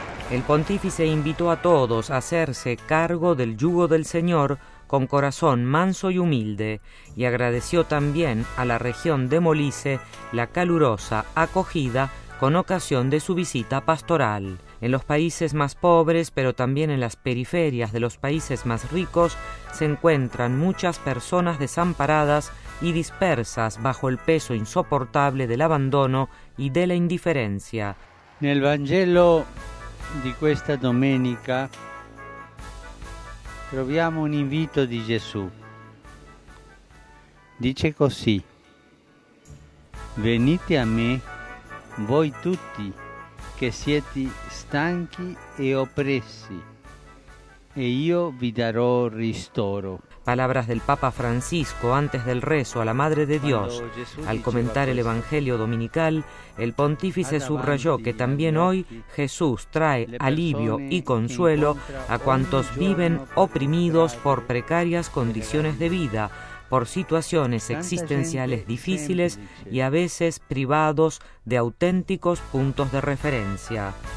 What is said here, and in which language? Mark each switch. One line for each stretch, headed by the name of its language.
Spanish: El pontífice invitó a todos a hacerse cargo del yugo del Señor con corazón manso y humilde, y agradeció también a la región de Molise la calurosa acogida con ocasión de su visita pastoral. En los países más pobres, pero también en las periferias de los países más ricos, se encuentran muchas personas desamparadas y dispersas bajo el peso insoportable del abandono y de la indiferencia. En el
Italian: Vangelo di questa domenica troviamo un invito di Gesù. Dice così: venite a me voi tutti che siete stanchi e oppressi e io vi darò ristoro.
Spanish: Palabras del Papa Francisco antes del rezo a la Madre de Dios. Al comentar el Evangelio dominical, el pontífice subrayó que también hoy Jesús trae alivio y consuelo a cuantos viven oprimidos por precarias condiciones de vida, por situaciones existenciales difíciles y a veces privados de auténticos puntos de referencia.